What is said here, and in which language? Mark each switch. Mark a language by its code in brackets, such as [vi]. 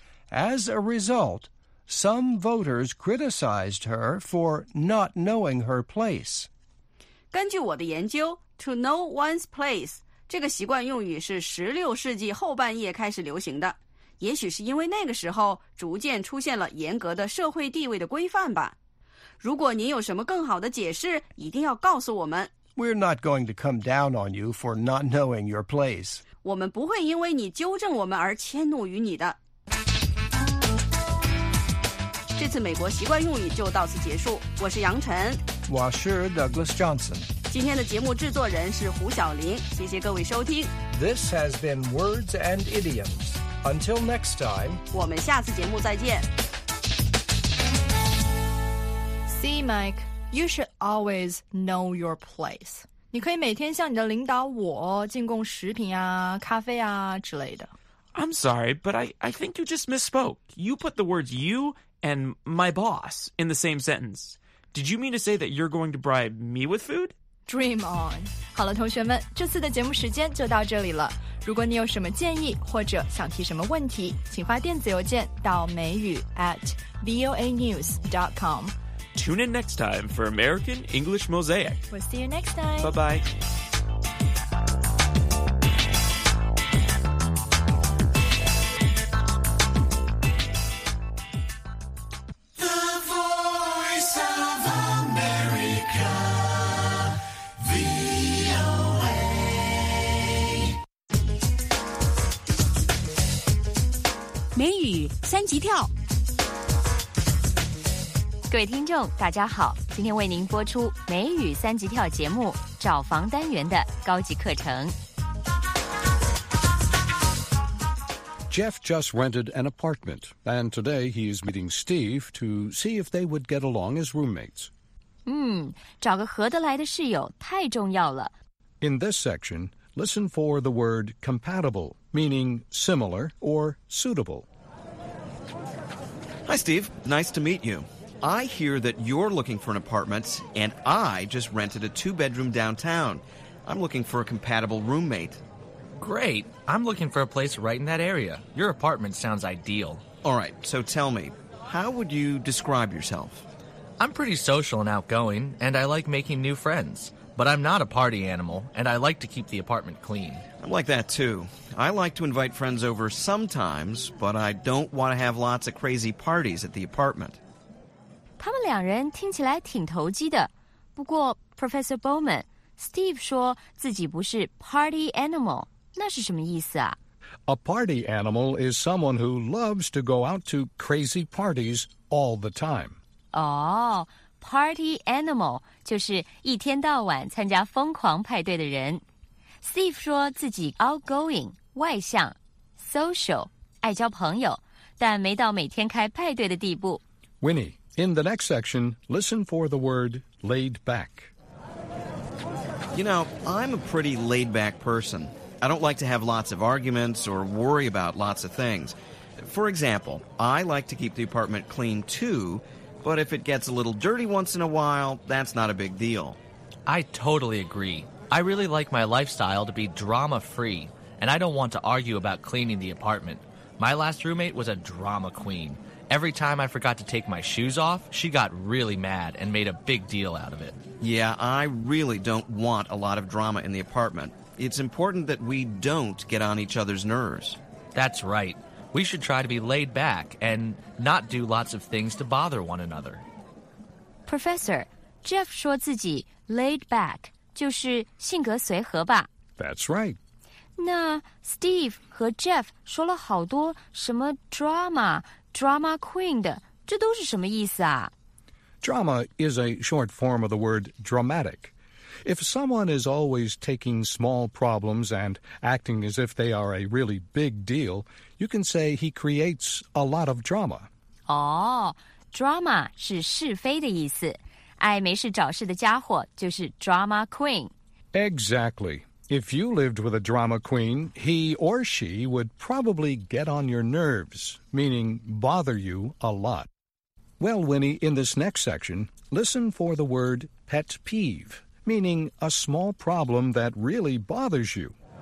[en] As a result, some voters criticized her for not knowing her place. [zh] 根据我的研究 , [en] to know one's place, [zh] 这个习惯用语是16世纪后半叶开始流行的。也许是因为那个时候逐渐出现了严格的社会地位的规范吧。如果您有什么更好的解释，一定要告诉我们。 [en] We're not going to come down on you for not knowing your place. [zh] 我们不会因为你纠正我们而迁怒于你的。这次美国习惯用语就到此结束。我是杨晨。我是 Douglas Johnson。今天的节目制作人是胡晓玲。谢谢各位收听。 [en] This has been Words and Idioms. Until next time. [zh] 我们下次节目再见。 [en] See Mike. You should always know your place. [zh] 你可以每天向你的领导我进贡食品啊、咖啡啊之类的。 [en] I'm sorry, but I think you just misspoke. You put the words you and my boss in the same sentence. Did you mean to say that you're going to bribe me with food? Dream on. [zh] 好了，同学们，这次的节目时间就到这里了。如果你有什么建议或者想提什么问题，请发电子邮件到mei.yu@voanews.com。 [en] Tune in next time for American English Mosaic. We'll see you next time. Bye-bye. [zh] 三级跳。各位听众大家好，今天为您播出美语三级跳节目找房单元的高级课程。 [en] Jeff just rented an apartment, and today he is meeting Steve to see if they would get along as roommates. [zh] 找个合得来的室友太重要了。 [en] In this section, listen for the word compatible, meaning similar or suitable. Hi, Steve. Nice to meet you. I hear that you're looking for an apartment, and I just rented a two-bedroom downtown. I'm looking for a compatible roommate. Great. I'm looking for a place right in that area. Your apartment sounds ideal. All right, so tell me, how would you describe yourself? I'm pretty social and outgoing, and I like making new friends. But I'm not a party animal, and I like to keep the apartment clean. I'm like that, too. I like to invite friends over sometimes, but I don't want to have lots of crazy parties at the apartment. [zh] 他们两人听起来挺投机的。不过 Professor Bowman, Steve 说自己不是 [en] party animal. [zh] 那是什么意思啊? [en] A party animal is someone who loves to go out to crazy parties all the time. [zh] Oh, [en] party animal [zh] 就是一天到晚参加疯狂派对的人。 Steve 说自己 outgoing, 外向, social, 爱交朋友,但没到每天开派对的地步。 [en] Winnie, in the next section, listen for the word laid back. You know, I'm a pretty laid-back person. I don't like to have lots of arguments or worry about lots of things. For example, I like to keep the apartment clean too, but if it gets a little dirty once in a while, that's not a big deal. I totally agree. I really like my lifestyle to be drama-free, and I don't want to argue about cleaning the apartment. My last roommate was a drama queen. Every time I forgot to take my shoes off, she got really mad and made a big deal out of it. Yeah, I really don't want a lot of drama in the apartment. It's important that we don't get on each other's nerves. That's right. We should try to be laid back and not do lots of things to bother one another. [zh] Professor, Jeff 说自己 [en] laid back [zh] 就是性格随和吧。 [en] That's right. [zh] 那 Steve 和 Jeff 说了好多什么 [en] drama, drama queen [zh] 的，这都是什么意思啊? [en] Drama is a short form of the word dramatic. If someone is always taking small problems and acting as if they are a really big deal, you can say he creates a lot of drama. [zh] Oh, drama 是是非的意思。爱没事找事的家伙就是 [en] drama queen. Exactly. If you lived with a drama queen, he or she would probably get on your nerves, meaning bother you a lot. Well, Winnie, in this next section, listen for the word pet peeve. Meaning a small problem that really bothers you.